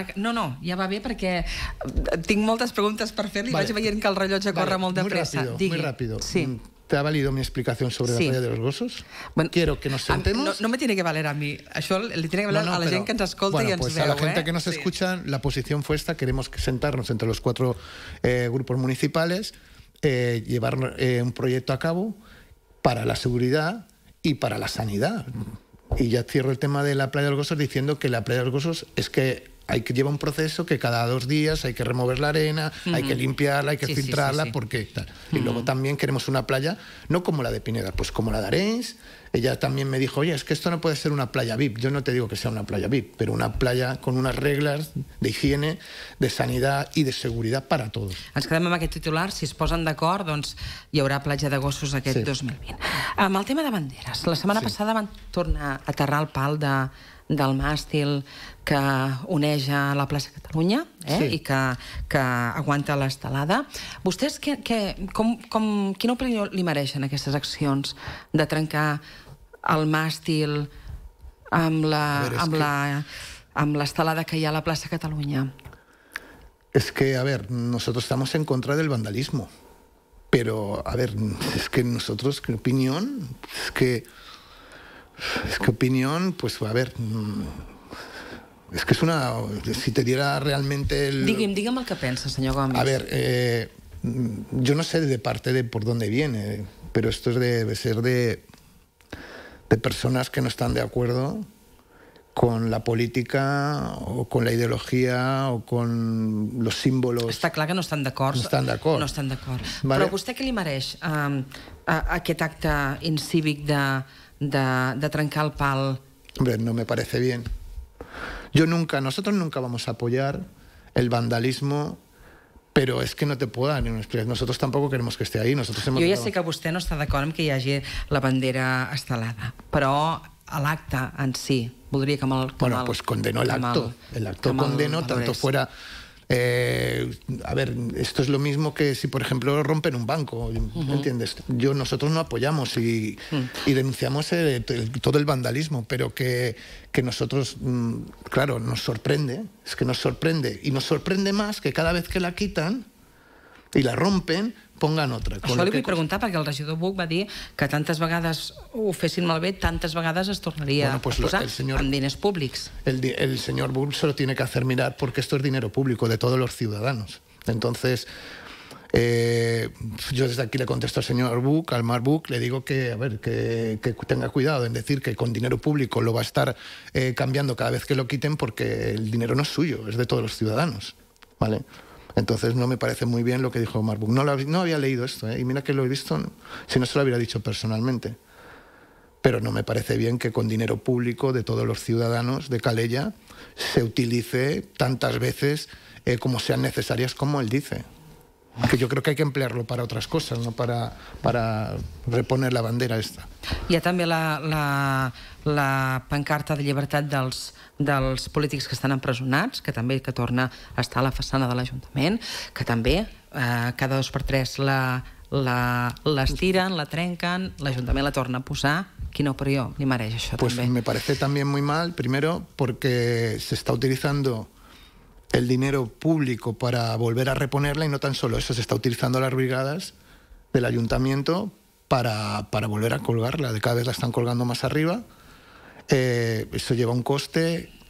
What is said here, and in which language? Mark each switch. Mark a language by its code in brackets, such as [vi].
[ca] No, no, ja va bé, perquè tinc moltes preguntes per fer-li, vaig veient que el rellotge corre molt de pressa. [es] Muy rápido, muy rápido. ¿Te ha valido mi explicación sobre la playa de los Gossos? Quiero que nos sentemos... No me tiene que valer a mí. [ca] Això li [es] tiene que [ca] valer a la gent que ens escolta i ens veu. [es] Bueno, pues a la gente que nos escucha, la posición fue esta. Queremos sentarnos entre los cuatro grupos municipales, llevar un proyecto a cabo para la seguridad y para la sanidad. Y ya cierro el tema de la playa de los Gossos diciendo que la playa de los Gossos es que hay que lleva un proceso que cada dos días hay que remover la arena, hay que limpiarla, hay que filtrarla, porque tal. Y luego también queremos una playa, no como la de Pineda, pues como la de Arenys. Ella también me dijo, oye, es que esto no puede ser una playa VIP. Yo no te digo que sea una playa VIP, pero una playa con unas reglas de higiene, de sanidad y de seguridad para todos. [ca] Ens quedem amb aquest titular. Si es posen d'acord, doncs hi haurà platja de Gossos aquest 2020. Amb el tema de banderes, la setmana passada van tornar a aterrar el pal del màstil que uneix a la plaça Catalunya i que aguanta l'estelada. Vostès, quina opinió li mereixen aquestes accions de trencar el màstil amb l'estelada que hi ha a la plaça Catalunya? És que, a veure, nosaltres estem en contra del vandalisme. Però, a veure, és que nosaltres, quina opinió, és que... [es] Es que opinión, pues a ver, es que es una... Si te diera realmente el... [ca] Digue'm el que pensa, senyor Gómez. [es] A ver, yo no sé de parte de por dónde viene, pero esto debe ser de personas que no están de acuerdo con la política o con la ideología o con los símbolos. [ca] Està clar que no estan d'acord. No estan d'acord. No estan d'acord. Vale. Però vostè què li mereix aquest acte incívic de trencar el pal? [es] Hombre, no me parece bien. Nosotros nunca vamos a apoyar el vandalismo, pero es que no te puedo dar una explicación. Nosotros tampoco queremos que esté ahí. Nosotros hemos... [ca] Jo ja sé que vostè no està d'acord amb que hi hagi la bandera estelada, però l'acte en si, voldria que mal... [es] Bueno, pues condeno el acto. El acto condeno, tanto fuera... a ver, esto es lo mismo que si, por ejemplo, rompen un banco, ¿entiendes? Nosotros no apoyamos y denunciamos todo el vandalismo, pero que nosotros, claro, nos sorprende, es que nos sorprende, y nos sorprende más que cada vez que la quitan y la rompen, pongan otra. [ca] Això li vull preguntar, perquè el regidor Buch va dir que tantes vegades ho fessin malbé, tantes vegades es tornaria a posar amb diners públics. [es] El señor Buch se lo tiene que hacer mirar, porque esto es dinero público de todos los ciudadanos. Entonces, yo desde aquí le contesto al señor Buch, al Mark Buch, le digo que, a ver, que tenga cuidado en decir que con dinero público lo va a estar cambiando cada vez que lo quiten, porque el dinero no es suyo, es de todos los ciudadanos, ¿vale? Entonces no me parece muy bien lo que dijo Omar Buch. No había leído esto, ¿eh? Y mira que lo he visto, ¿no? Si no se lo hubiera dicho personalmente. Pero no me parece bien que con dinero público de todos los ciudadanos de Calella se utilice tantas veces como sean necesarias, como él dice. Que yo creo que hay que emplearlo para otras cosas, no para reponer la bandera esta. [ca] Hi ha també la pancarta de llibertat dels polítics que estan empresonats, que també que torna a estar a la façana de l'Ajuntament, que també cada dos per tres l'estiren, la trenquen, l'Ajuntament la torna a posar. Quina opinió li mereix això? [es] Pues [ca] també [es] me parece también muy mal, primero, porque se está utilizando el dinero público para volver a reponerla, y no tan solo eso, se está utilizando las brigadas del ayuntamiento para volver a colgarla. De cada vez la están colgando más arriba. Eso lleva un coste.